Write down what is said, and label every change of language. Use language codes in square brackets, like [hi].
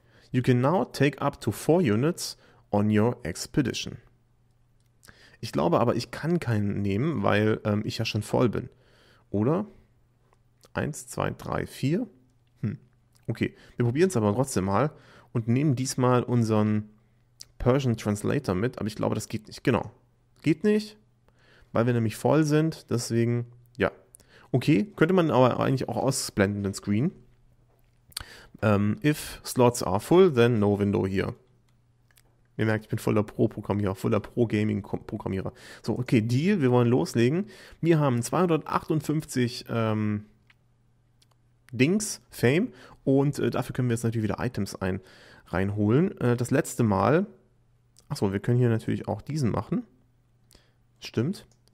[en] You can now take up to 4 units on your expedition. [de] Ich glaube aber, ich kann keinen nehmen, weil ich ja schon voll bin. Oder? 1, 2, 3, 4. Okay, wir probieren es aber trotzdem mal und nehmen diesmal unseren Persian Translator mit. Aber ich glaube, das geht nicht. Genau, geht nicht, weil wir nämlich voll sind. Deswegen, ja. Okay, könnte man aber eigentlich auch ausblenden den Screen. [en] If slots are full, then no window here. [de] Ihr merkt, ich bin voller Pro-Programmierer, voller Pro-Gaming-Programmierer. So, okay, Deal, wir wollen loslegen. Wir haben 258 Dings, Fame, und dafür können wir jetzt natürlich wieder Items reinholen. Das letzte Mal, achso, wir können hier natürlich auch diesen machen. Stimmt.